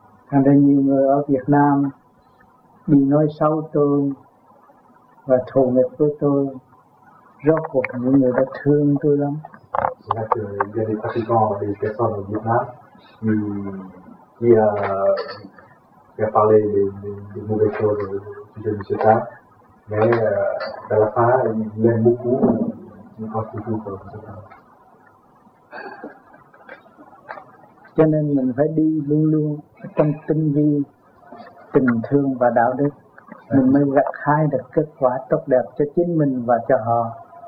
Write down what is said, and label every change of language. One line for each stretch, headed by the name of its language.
Vietnamese: Thành ra nhiều người ở Việt Nam bị nói xấu tôi và thù nghịch với tôi, rốt cuộc những người đã thương tôi lắm.
French: Là que il y a des pratiquants, des personnes au Vietnam qui a parlé des mauvaises choses au sujet de ce cas, mais à la fin ils l'aiment beaucoup, ils pensent toujours pour ce cas.
Vietnamese: Cho nên mình phải đi luôn luôn trong tinh vi, tình thương và đạo đức. Mình mới gặt hái được kết quả tốt đẹp cho chính mình và cho họ.